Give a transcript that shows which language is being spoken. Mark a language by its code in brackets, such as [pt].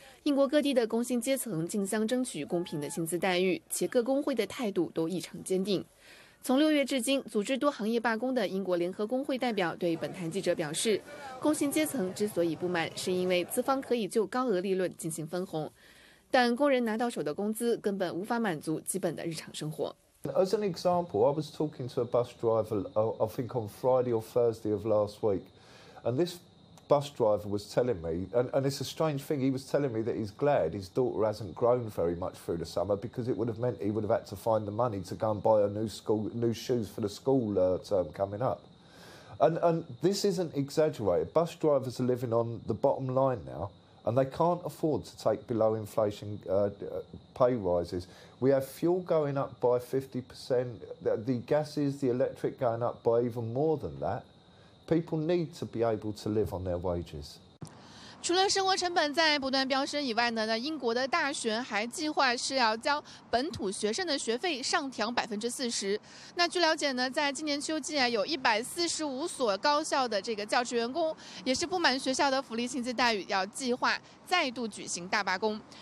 [zh] 英国各地的工薪阶层竞相争取公平的薪资待遇，且各工会的态度都异常坚定。从6月至今，组织多行业罢工的英国联合工会代表对本台记者表示，工薪阶层之所以不满，是因为资方可以就高额利润进行分红，但工人拿到手的工资根本无法满足基本的日常生活。 [en] As an example, I was talking to a bus driver, I think on Friday or Thursday of last week, and this bus driver was telling me, and it's a strange thing, he was telling me that he's glad his daughter hasn't grown very much through the summer, because it would have meant he would have had to find the money to go and buy a new shoes for the school term coming up. And this isn't exaggerated. Bus drivers are living on the bottom line now, and they can't afford to take below inflation pay rises. We have fuel going up by 50%, the gases, the electric going up by even more than that. People need to be able to live on their wages. [zh] 除了生活成本在不断飙升以外呢，英国的大学还计划是要将本土学生的学费上调40%。那据了解呢，在今年秋季啊，有145所高校的这个教职员工也是不满学校的福利薪资待遇，要计划再度举行大罢工。